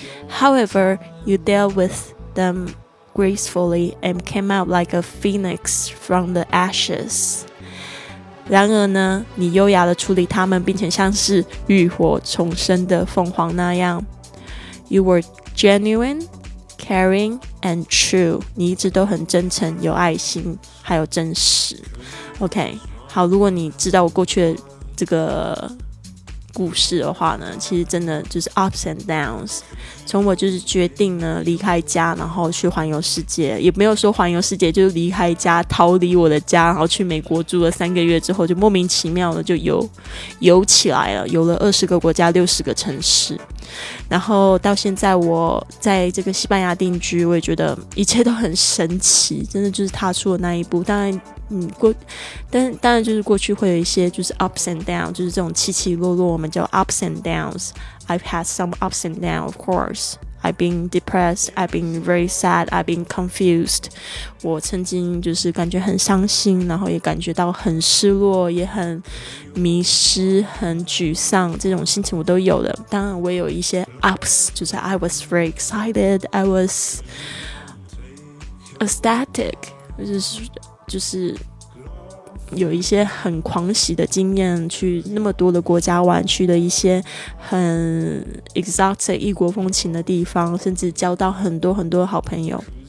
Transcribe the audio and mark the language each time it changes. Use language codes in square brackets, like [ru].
[en] However, you dealt with them gracefully and came out like a phoenix from the ashes. [zh] 然而呢你优雅地处理他们，并且像是浴火重生的凤凰那样。 [en] You were genuine, caring, and true. [zh] 你一直都很真诚，有爱心，还有真实。 OK， 好，如果你知道我过去的这个故事的话呢，其实真的就是 [en] ups and downs。 [zh] 从我就是决定呢离开家，然后去环游世界，也没有说环游世界，就是离开家，逃离我的家，然后去美国住了3个月之后，就莫名其妙的就游起来了，游了20个国家60个城市。然后到现在我在这个西班牙定居，我也觉得一切都很神奇，真的就是踏出了那一步。当然当然就是过去会有一些就是 [en] ups and downs， [zh] 就是这种起起落落，我们叫 ups and downs。 [en] I've had some ups and downs, of course. I've been depressed, I've been very sad, I've been confused. [zh] 我曾经就是感觉很伤心，然后也感觉到很失落，也很迷失，很沮丧，这种心情我都有的。当然我也有一些 ups， 就是 [en] I was very excited, I was ecstatic， [zh] 就是有一些很狂喜的经验，去那么多的国家玩，去了一些很 exotic 异国风情的地方，甚至交到很多很多好朋友。